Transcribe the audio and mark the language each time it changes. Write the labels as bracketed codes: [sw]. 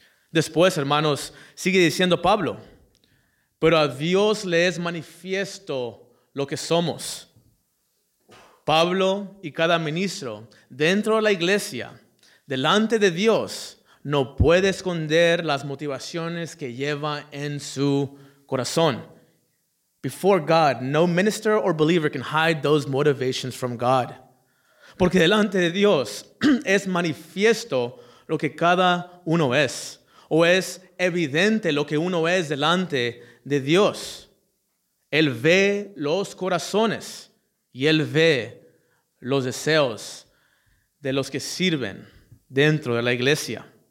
[es] Después, hermanos, sigue diciendo Pablo, pero a Dios le es manifiesto lo que somos. Pablo y cada ministro dentro de la iglesia, delante de Dios, no puede esconder las motivaciones que lleva en su corazón. [en] Before God, no minister or believer can hide those motivations from God. [es] Porque delante de Dios es manifiesto lo que cada uno es, o es evidente lo que uno es delante de Dios. Él ve los corazones y Él ve los deseos de los que sirven dentro de la iglesia.